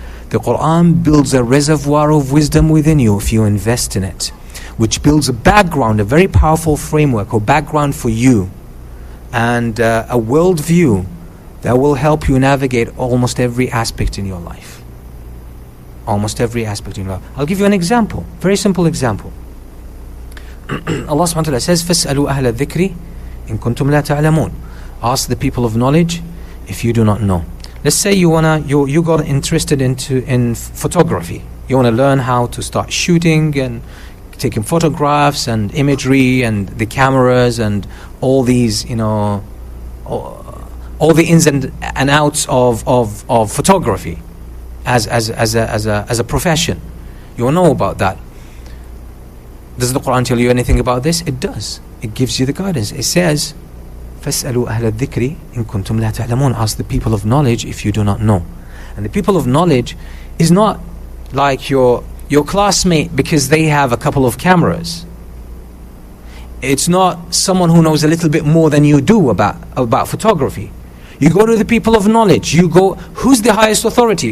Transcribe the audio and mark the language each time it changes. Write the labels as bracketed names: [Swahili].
[English] The Quran builds a reservoir of wisdom within you if you invest in it, which builds a background, a very powerful framework or background for you, and a worldview that will help you navigate almost every aspect in your life. Almost every aspect in your life. I'll give you an example, very simple example. [Arabic] Allah subhanahu wa ta'ala says, فَاسْأَلُوا أَهْلَ الذِّكْرِ إِن كُنْتُمْ لَا تَعْلَمُونَ. [English] Ask the people of knowledge if you do not know. Let's say you got interested in photography. You want to learn how to start shooting and taking photographs and imagery and the cameras and all these, you know, all the ins and outs of photography as a profession. You want to know about that. Does the Quran tell you anything about this? It does. It gives you the guidance. It says, [Arabic] فَاسْأَلُوا أَهْلَ الذِّكْرِ إِن كُنْتُمْ لَا تَعْلَمُونَ. [English] Ask the people of knowledge if you do not know. And the people of knowledge is not like your classmate because they have a couple of cameras. It's not someone who knows a little bit more than you do about photography. You go to the people of knowledge. You go, who's the highest authority?